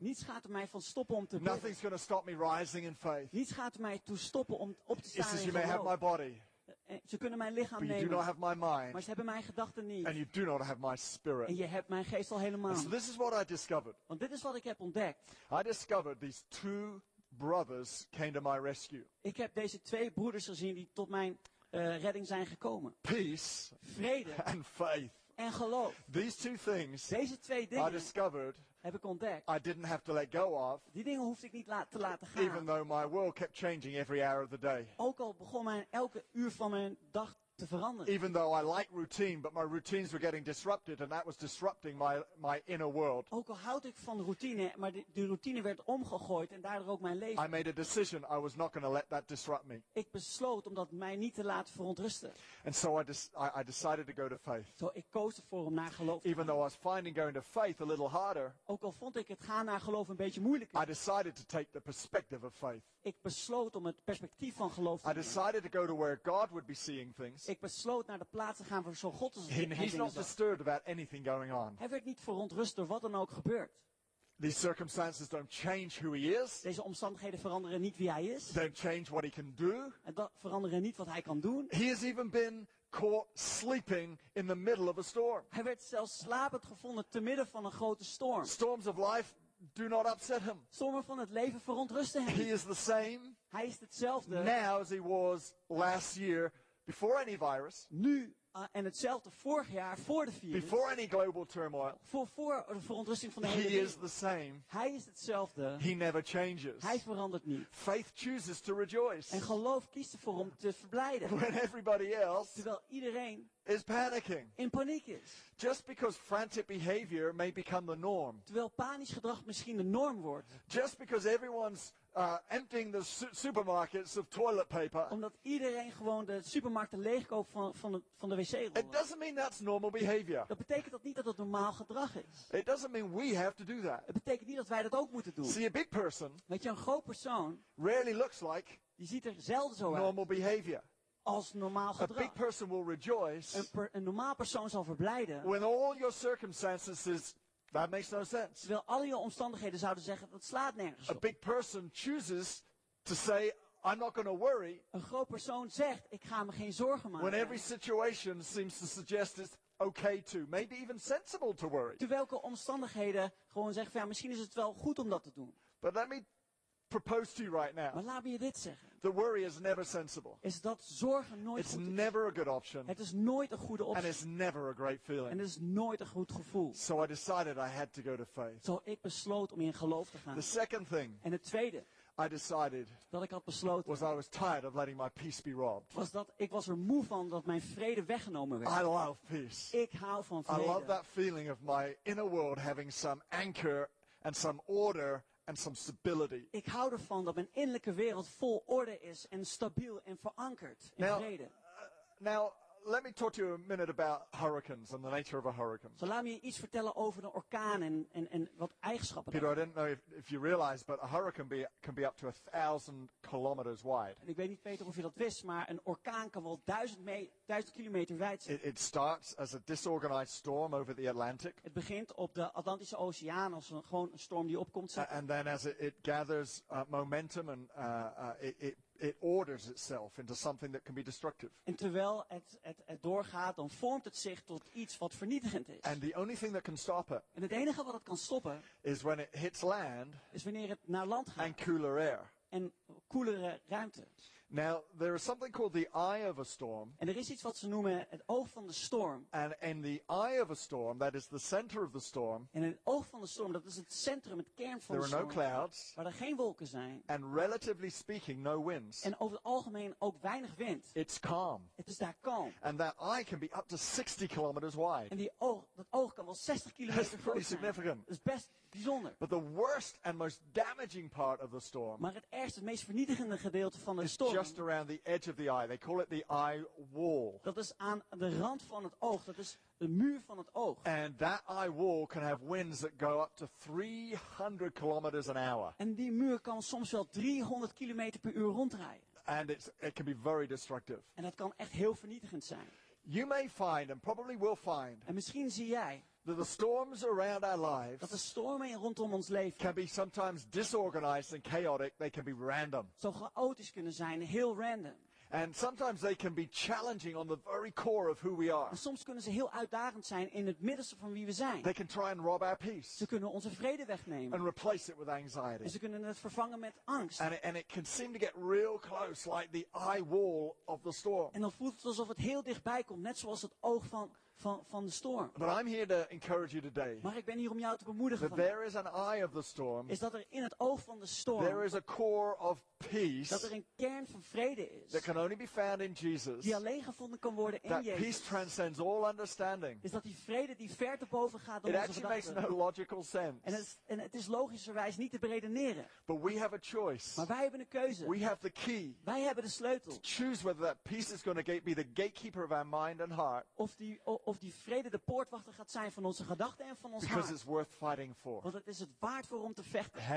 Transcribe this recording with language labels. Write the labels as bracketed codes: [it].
[nl] Niets gaat mij van stoppen om te bidden. [en] Nothing's going to stop me rising in faith. [nl] Niets gaat mij toe stoppen. [en] He says, you may have my body, [nl] ze kunnen mijn lichaam [en] but you [nl] nemen, [en] do not have my mind, [nl] maar ze hebben mijn gedachten niet. [en] And you do not have my spirit. [nl] En je hebt mijn geest al helemaal. [en] So this is what I discovered. [nl] Want dit is wat ik heb ontdekt. [en] I discovered these two brothers came to my rescue. [nl] Ik heb deze twee broeders gezien die tot mijn redding zijn gekomen. [en] Peace, [nl] vrede, [en] and faith. [nl] En geloof. [en] These two things, [nl] deze twee dingen, [en] I discovered. [nl] Heb ik ontdekt. [en] I didn't have to let go of. [nl] Die dingen hoefde ik niet te laten gaan. [en] Even though my world kept changing every hour of the day. [nl] Ook al begon mijn elke uur van mijn dag te veranderen. [en] Even though I like routine, but my routines were getting disrupted, and that was disrupting my inner world. [nl] Ook al houd ik van routine, maar de routine werd omgegooid en daardoor ook mijn leven. [en] I made a decision. I was not going to let that disrupt me. [nl] Ik besloot om dat mij niet te laten verontrusten. [en] And so I decided to go to faith. [nl] Zo ik koos ervoor om naar geloof te gaan. [en] Even though I was finding going to faith a little harder. [nl] Ook al vond ik het gaan naar geloof een beetje moeilijker. [en] I decided to take the perspective of faith. [nl] Ik besloot om het perspectief van geloof te nemen. [en] I decided to go to where God would be seeing things. [nl] Ik besloot naar de plaats te gaan waar zo God is. [en] He's not disturbed about anything going on. [nl] Hij werd niet verontrust door wat dan ook gebeurt. [en] These circumstances don't change who he is. [nl] Deze omstandigheden veranderen niet wie hij is. [en] They don't change what he can do. [nl] En dat veranderen niet wat hij kan doen. [en] He has even been caught sleeping in the middle of a storm. [nl] Hij werd zelfs slapend gevonden te midden van een grote storm. [en] Storms of life do not upset him. [nl] Stormen van het leven verontrusten hem. [en] He is the same. [nl] Hij is hetzelfde. [en] Now as he was last year. Before any virus. [nl] Nu en hetzelfde vorig jaar voor de virus. [en] Before any global turmoil. [nl] Voor de verontrusting van de hele [en] he [nl] wereld. [en] Is the same. [nl] Hij is hetzelfde. [en] He never changes. [nl] Hij verandert niet. [en] Faith chooses to rejoice. [nl] En geloof kiest ervoor om te verblijden. [en] When everybody else. [nl] Terwijl iedereen. [en] Is panicking. [nl] In paniek is. [en] Just because frantic behavior may become the norm. [nl] Terwijl panisch gedrag misschien de norm wordt. [en] Just because everyone's emptying the supermarkets of toilet paper. [nl] Omdat iedereen gewoon de supermarkten leegkoopt van de wc-rollen. [en] It doesn't mean that's normal behavior. [nl] Dat betekent dat niet dat dat normaal gedrag is. [en] It doesn't mean we have to do that. [nl] Het betekent niet dat wij dat ook moeten doen. [en] See, a big person. [nl] Weet je, een groot persoon. [en] Rarely looks like. [nl] Die ziet er zelden zo uit. [en] Normal behavior. [nl] Als normaal gedrag. [en] A big person will rejoice. [nl] Een normaal persoon zal verblijden. [en] When all your circumstances is, that makes no sense. [nl] Terwijl al je omstandigheden zouden zeggen dat slaat nergens op. [en] A big person chooses to say, I'm not going to worry. [nl] Een groot persoon zegt, ik ga me geen zorgen maken. [en] When every situation seems to suggest it's okay to, maybe even sensible to worry. [nl] Terwijl omstandigheden gewoon zeggen, ja, misschien is het wel goed om dat te doen. [en] But let me propose to you right now. [nl] Maar laat me je dit zeggen. [en] The worry is never sensible. [nl] Is dat zorgen nooit goed? [en] It's never a good option. [nl] Het is nooit een goede optie. [en] And it's never a great feeling. [nl] En het is nooit een goed gevoel. [en] So I decided I had to go to faith. [nl] Zo ik besloot om in geloof te gaan. [en] The second thing. [nl] En het tweede. [en] I decided. [nl] Dat ik had besloten. [en] Was I was tired of letting my peace be robbed. [nl] Was dat ik was er moe van dat mijn vrede weggenomen werd. [en] I love peace. [nl] Ik hou van vrede. [en] I love that feeling of my inner world having some anchor and some order. And some stability. [nl] Ik hou ervan dat mijn innerlijke wereld vol orde is en stabiel en verankerd in [en] now, [nl] vrede. [en] Now, let me talk to you a minute about hurricanes and the nature of a hurricane. [nl] So laat me je iets vertellen over een orkaan en wat eigenschappen. [en] Peter, I didn't know if you realize, but a hurricane can be up to 1,000 kilometers wide. [nl] En ik weet niet, Peter, of je dat wist, maar een orkaan kan wel 1,000 kilometer wijd zijn. [en] It starts as a disorganized storm over the Atlantic. [nl] Het begint op de Atlantische Oceaan als gewoon een storm die opkomt. [en] And then as it gathers momentum and it orders itself into something that can be destructive. [nl] En terwijl het doorgaat, dan vormt het zich tot iets wat vernietigend is. [en] And the only thing that can stop it. [nl] En het enige wat het kan stoppen [en] is when it hits land. [nl] Is wanneer het naar land gaat. [en] And cooler air. [nl] En koelere ruimte. [en] Now there is something called the eye of a storm. [nl] En er is iets wat ze noemen het oog van de storm. [en] And in the eye of a storm, that is the center of the storm. [nl] En het oog van de storm, dat is het centrum, het kern van de storm. [en] There are no clouds. [nl] Waar er geen wolken zijn. [en] And relatively speaking, no winds. [nl] En over het algemeen ook weinig wind. [en] It's calm. [nl] Het is daar kalm. [en] And that eye can be up to 60 kilometers wide. [nl] En dat oog kan wel 60 kilometer groot zijn. [en] That's pretty significant. [nl] Dat is best bijzonder. [en] But the worst and most damaging part of the storm. [nl] Maar het meest vernietigende gedeelte van de storm. [en] Just around the edge of the eye. They call it the eye wall. [nl] Dat is aan de rand van het oog. Dat is de muur van het oog. [en] And that eye wall can have winds that go up to 300 kilometers an hour. [nl] En die muur kan soms wel 300 kilometer per uur ronddraaien. [en] And it can be very destructive. [nl] En dat kan echt heel vernietigend zijn. [en] You may find and probably will find. [nl] En misschien zie jij. [en] That the storms around our lives. [nl] Dat de stormen rondom ons leven. [en] Can be sometimes disorganized and chaotic. They can be random. [nl] Zo chaotisch kunnen zijn, heel random. [en] And sometimes they can be challenging on the very core of who we are. [nl] En soms kunnen ze heel uitdagend zijn in het middenste van wie we zijn. [en] They can try and rob our peace. [nl] Ze kunnen onze vrede wegnemen. [en] And replace it with anxiety. [nl] En ze kunnen het vervangen met angst. [en] And it can seem to get real close, like the eye wall of the storm. [nl] En dan voelt het alsof het heel dichtbij komt, net zoals het oog van de storm. [en] But I'm here to encourage you today. [nl] Maar ik ben hier om jou te bemoedigen. [en] That there is an eye of the storm. [nl] Is dat er in het oog van de storm. [en] There is a core of peace. [nl] Dat er een kern van vrede is. [en] That can only be found in Jesus. [nl] Die alleen gevonden kan worden in [en] that [nl] Jezus. [en] That peace transcends all understanding. [nl] Is dat die vrede die ver te boven gaat dan onze gedachten. [en] It actually makes no logical sense. [nl] En het is logischerwijs niet te beredeneren. [en] But we have a choice. [nl] Maar wij hebben een keuze. [en] We have the key. [nl] Wij hebben de sleutel. [en] To choose whether that peace is going to be the gatekeeper of our mind and heart. [nl] Of die vrede de poortwachter gaat zijn van onze gedachten en van ons [en] Because [nl] hart. [en] It's worth fighting for. [nl] Want het is het waard voor om te vechten.